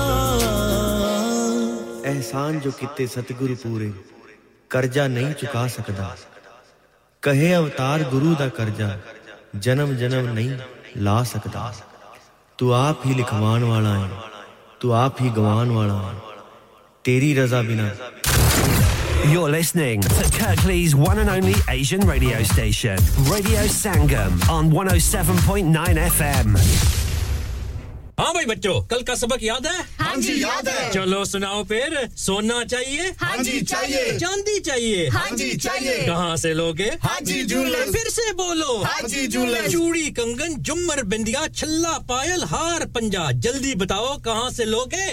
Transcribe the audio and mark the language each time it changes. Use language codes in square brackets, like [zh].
[pa] ਅਹਿਸਾਨ ਜੋ ਕੀਤੇ ਸਤਿਗੁਰੂ ਪੂਰੇ ਕਰਜ਼ਾ ਨਹੀਂ ਚੁਕਾ ਸਕਦਾ ਕਹੇ ਅਵਤਾਰ ਗੁਰੂ ਦਾ ਕਰਜ਼ਾ ਜਨਮ ਜਨਮ ਨਹੀਂ ਲਾ ਸਕਦਾ ਤੂੰ ਆਪ ਹੀ ਲਿਖਵਾਉਣ ਵਾਲਾ ਹੈ ਤੂੰ ਆਪ ਹੀ ਗਵਾਉਣ ਵਾਲਾ ਹੈ ਤੇਰੀ ਰਜ਼ਾ ਬਿਨਾਂ [en] You're listening to Kirkley's one and only Asian radio station, Radio Sangam, on 107.9 FM. [hi] हां भाई बच्चों कल का सबक याद है हां जी याद है चलो सुनाओ फिर सोना चाहिए हां जी चाहिए चांदी चाहिए हां जी चाहिए कहां से लोगे हां जी जूलर्स फिर से बोलो हां जी जूलर्स चूड़ी कंगन जुमर बिंदिया छल्ला पायल हार पंजा जल्दी बताओ कहां से लोगे